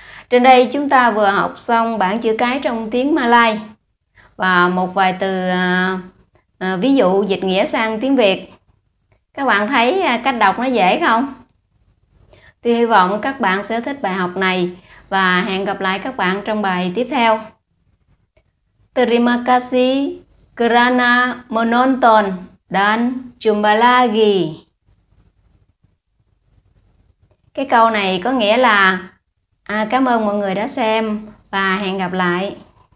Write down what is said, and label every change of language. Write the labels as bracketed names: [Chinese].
[Vietnamese] Trên đây chúng ta vừa học xong bảng chữ cái trong tiếng Malay và một vài từ ví dụ dịch nghĩa sang tiếng Việt. Các bạn thấy cách đọc nó dễ không? Tôi hy vọng các bạn sẽ thích bài học này và hẹn gặp lại các bạn trong bài tiếp theo. [Malay] Terima kasih karena menonton dan jumpa lagi. [Vietnamese] Cái câu này có nghĩa là cảm ơn mọi người đã xem và hẹn gặp lại.